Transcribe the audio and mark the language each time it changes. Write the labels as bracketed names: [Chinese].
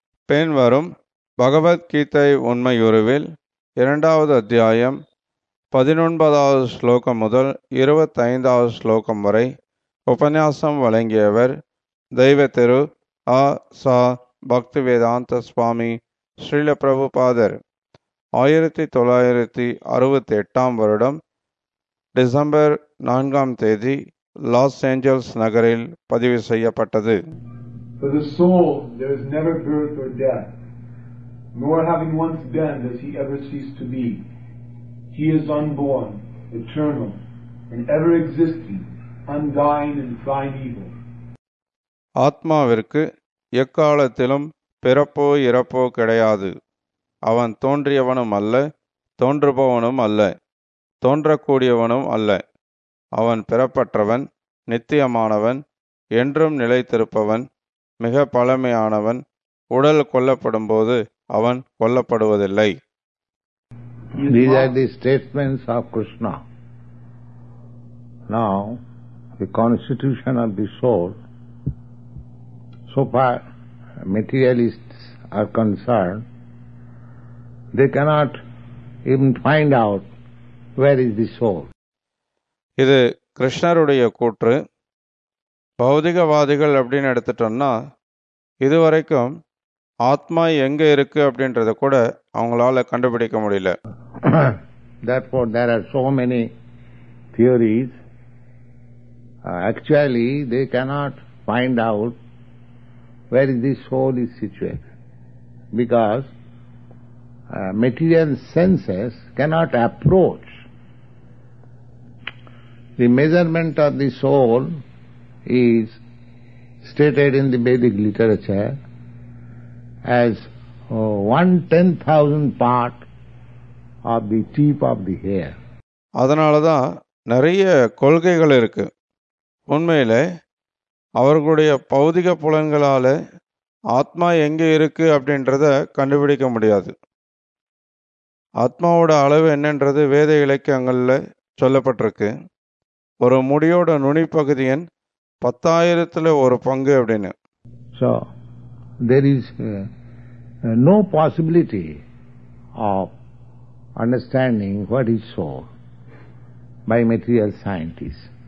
[Tamil] பின்வரும் பகவத் கீதை உண்மையுறுவில் இரண்டாவது அத்தியாயம் 19வது ஸ்லோகம் முதல் 25வது ஸ்லோகம் வரை உபன்யாசம் வழங்கியவர் தெய்வ திரு அ ச பக்திவேதாந்த சுவாமி ஸ்ரீல பிரபுபாதர். 1968 வருடம் டிசம்பர் 4 தேதி லாஸ் ஏஞ்சல்ஸ் நகரில் பதிவு செய்யப்பட்டது. [English] For the soul, there is never birth or death, nor having once been does he ever cease to be. He is unborn, eternal, and ever-existing, undying and primeval. [Tamil] ஆத்மாவிற்கு எக்காலத்திலும் பிறப்போ இறப்போ கிடையாது. அவன் தோன்றியவனும் அல்ல, தோன்றுபவனும் அல்ல, தோன்றக்கூடியவனும் அல்ல. அவன் பிறப்பற்றவன், நித்தியமானவன், என்றும் நிலைத்திருப்பவன், மிக பழமையானவன். உடல் கொல்லப்படும்போது அவன் கொல்லப்படுவதில்லை. [English] These are the statements of Krishna. Now, the constitution of the soul, so far materialists are concerned, they cannot even find out where is the soul. [Tamil] இது கிருஷ்ணருடைய கூற்று. பௌதிகவாதிகள் அப்படின்னு எடுத்துட்டோம்னா, இதுவரைக்கும் ஆத்மா எங்க இருக்கு அப்படின்றத கூட அவங்களால கண்டுபிடிக்க முடியல. [English] Therefore, there are so many theories. Actually, they cannot find out where the soul is situated, because material senses cannot approach. The measurement of the soul is stated in the Vedic literature as 1/10,000 part of the tip of the hair. [Tamil] அதனால தான் நிறைய கொள்கைகள் இருக்கு. உண்மையிலே அவர்களுடைய பௌதிக புலன்களால ஆத்மா எங்க இருக்கு அப்படின்றத கண்டுபிடிக்க முடியாது. ஆத்மாவோட அளவு என்னன்றது வேத இலக்கியங்களில் சொல்லப்பட்டிருக்கு. ஒரு முடியோட நுனிப்பகுதியின் 10,000 ஒரு பங்கு அப்படின்னு. [English] So, there is no possibility of understanding what is soul by material scientists.